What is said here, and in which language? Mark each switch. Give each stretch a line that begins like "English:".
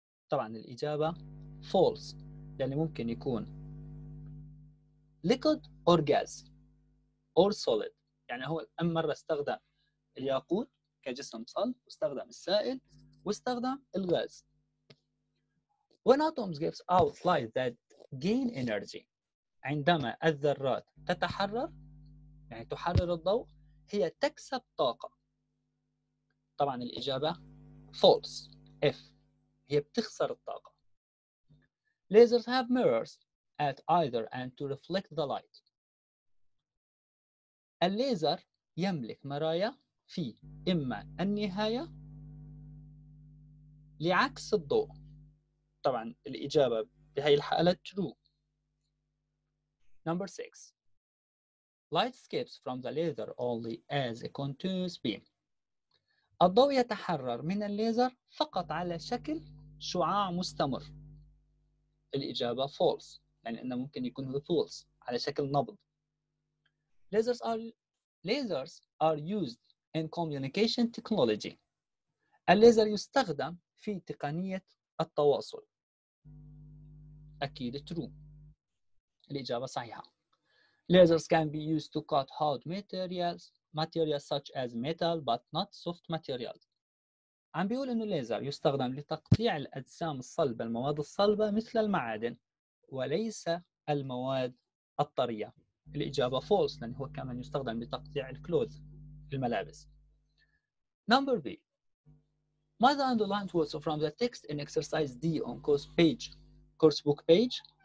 Arabic: طبعا الاجابة false لان ممكن يكون
English: liquid or gas or solid.
Arabic: يعني هو اما مرة استخدم الياقوت كجسم صلب واستخدم السائل واستخدم الغاز.
English: When atoms gives out light that gain energy.
Arabic: عندما الذرات تتحرر يعني تحرر الضوء هي تكسب طاقة. طبعا الإجابة false. F هي بتخسر الطاقة.
English: Lasers have mirrors at either end to reflect the light.
Arabic: الليزر يملك مرايا في إما النهاية لعكس الضوء. طبعا الإجابة بهاي الحالة true.
English: Number 6. Light escapes from the laser only as a continuous beam.
Arabic: الضوء يتحرر من الليزر فقط على شكل شعاع مستمر. الإجابة false. يعني أنه ممكن يكون false على شكل نبض.
English: Lasers are used in communication technology.
Arabic: الليزر يستخدم في تقنية التواصل. أكيد true. الإجابة صحيحة.
English: Lasers can be used to cut hard materials such as metal but not soft materials.
Arabic: عم بيقول إنه الليزر يستخدم لتقطيع الأجسام الصلبة المواد الصلبة مثل المعادن وليس المواد الطرية. الإجابة false لأن هو كمان يستخدم لتقطيع الكلوث الملابس.
English: Number B. Mother underlined words from the text in exercise D on course book page